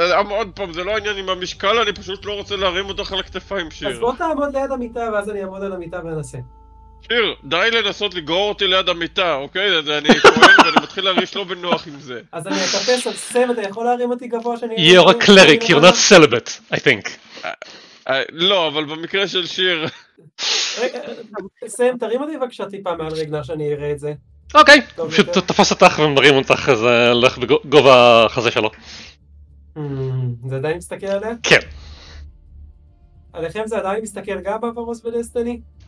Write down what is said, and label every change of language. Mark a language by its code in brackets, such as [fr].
[he] עוד פעם, זה לא העניין עם המשקל, אני פשוט לא רוצה להרים אותך על הכתפיים, שיר. אז בוא תעמוד ליד המיטה, ואז אני אעמוד על המיטה ואנסה. שיר, די לנסות לגרור אותי ליד המיטה, אוקיי? אז אני כהן ואני מתחיל להריש לא בנוח עם זה. אז אני אטפס על סם, אתה יכול להרים אותי גבוה שאני... [en] You're a cleric, you're not celibate, I think. [he] לא, אבל במקרה של שיר... סם, תרים אותי בבקשה טיפה מעל רגנר שאני אראה את זה. אוקיי, פשוט תפס אותך ומרים אותך, אז הלך בגובה החזה שלו. זה עדיין מסתכל עליה? כן. עליכם זה עדיין מסתכל גם באברוס ודסטיני?